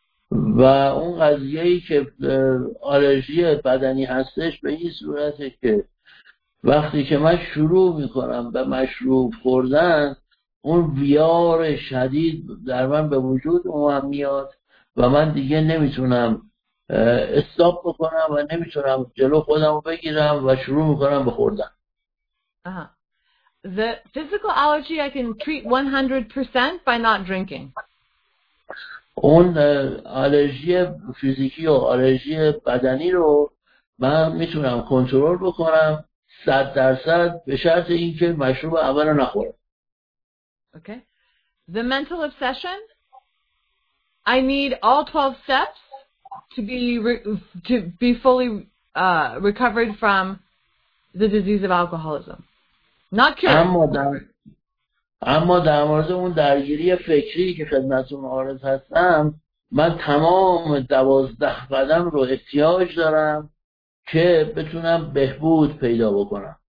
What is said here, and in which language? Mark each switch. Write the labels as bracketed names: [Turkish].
[Persian] و اون قضیه ای که آلرژی بدنی هستش به این صورته که وقتی که من شروع میکنم به مشروب خوردن، اون ویار شدید در من به وجود اومد میاد و من دیگه نمیتونم استاپ بکنم و نمیتونم جلو خودم رو بگیرم و شروع میکنم به خوردن. [English] The physical allergy I can treat 100% by not drinking. [Persian] اون آلرژی فیزیکی و آلرژی بدنی رو من میتونم کنترل بکنم 100% به شرط اینکه مشروب اول رو نخورم. [English] Okay. The mental obsession, I need all 12 steps to be fully recovered from the disease of alcoholism. Not cured. [Persian] اما در مورد اون درگیری فکری که خدمتتون عارض هستم، من تمام 12 قدم رو احتیاج دارم که بتونم بهبود پیدا بکنم.